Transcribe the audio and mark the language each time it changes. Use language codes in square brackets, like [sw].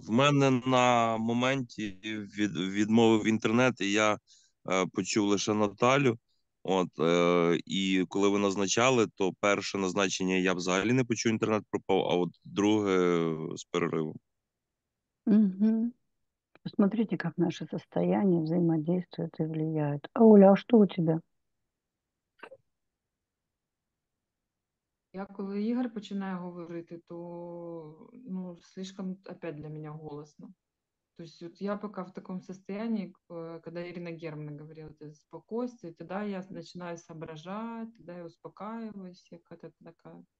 [uk] В мене на моменті відмовив інтернет, і я почув лише Наталю. От, і коли ви назначали, то перше назначення я взагалі не почув, інтернет пропав, а от друге з переривом. Угу. [ru] Посмотрите, как наше состояние взаимодействует и влияет. А Оля, а что у тебя? [uk] Я, коли Ігор починає говорити, то ну, [ru] слишком опять [uk] для мене голосно. Тобто от я поки в такому состоянии, коли Ірина Германа говорила, це спокійствие, тоді я починаю соображати, тоді я успокаюсь, яка-то така.